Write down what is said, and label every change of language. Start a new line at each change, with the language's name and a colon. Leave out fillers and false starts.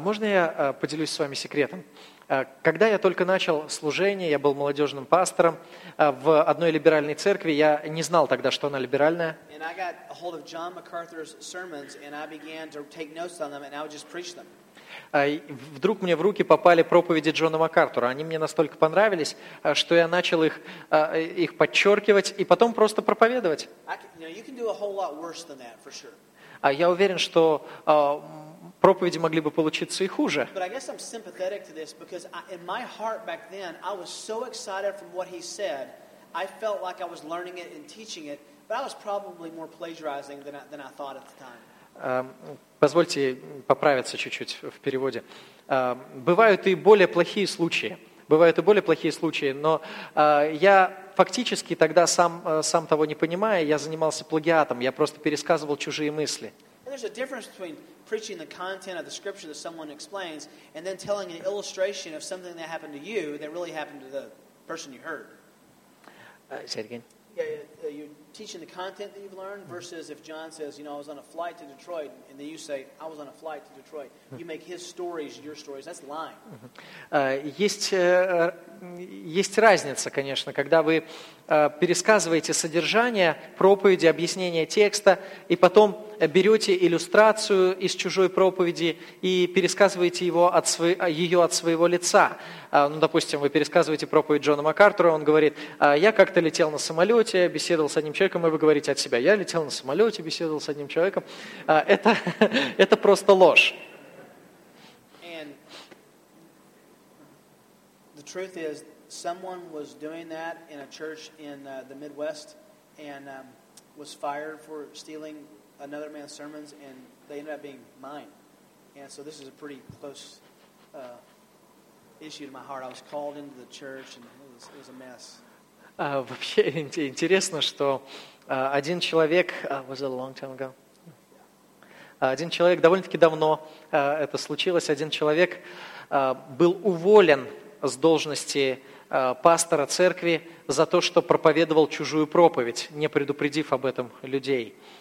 Russian: Можно я поделюсь с вами секретом? Когда я только начал служение, я был молодежным пастором в одной либеральной церкви. Я не знал тогда, что она либеральная.
English: And I got a hold of John MacArthur's sermons, and I began to take notes on them, and I would just preach them.
Russian: Вдруг мне в руки попали проповеди Джона МакАртура. Они мне настолько понравились, что я начал их подчеркивать и потом просто проповедовать.
English: You can do a whole lot worse than that, for sure.
Russian: Я уверен, что проповеди могли бы получиться и хуже.
English: But I guess I'm sympathetic to this because in my heart back then I was so excited from what he said. I felt like I was learning it and teaching it, but I was probably more plagiarizing than I thought at the time.
Russian: Позвольте поправиться чуть-чуть в переводе. Бывают и более плохие случаи. Бывают и более плохие случаи, но я фактически тогда сам того не понимая, я занимался плагиатом. Я просто пересказывал чужие мысли.
English: And there's a difference between preaching the content of the scripture that someone explains and then telling an illustration of something that happened to you that really happened to the person you heard. Say it again. Yeah, you're teaching the content that you've learned versus if John says, you know, I was on a flight to Detroit, and then you say, I was on a flight to Detroit. You make his stories your stories. That's lying.
Russian: Есть разница, конечно, когда вы пересказываете содержание проповеди, объяснение текста, и потом берете иллюстрацию из чужой проповеди и пересказываете ее от своего лица. Ну, допустим, вы пересказываете проповедь Джона МакАртура, он говорит, я как-то летел на самолете, беседовал с одним человеком, и вы говорите от себя, я летел на самолете, беседовал с одним человеком. Это просто ложь.
English: Truth is, someone was doing that in a church in the Midwest and was fired for stealing another man's sermons, and they ended up being mine. And so this is a pretty close issue to my heart. I was called into the church, and it was a mess.
Russian: Вообще интересно, что один человек...
English: was it a long time ago?
Russian: Один человек, довольно-таки давно это случилось, один человек был уволен с должности пастора церкви за то, что проповедовал чужую проповедь, не предупредив об этом людей.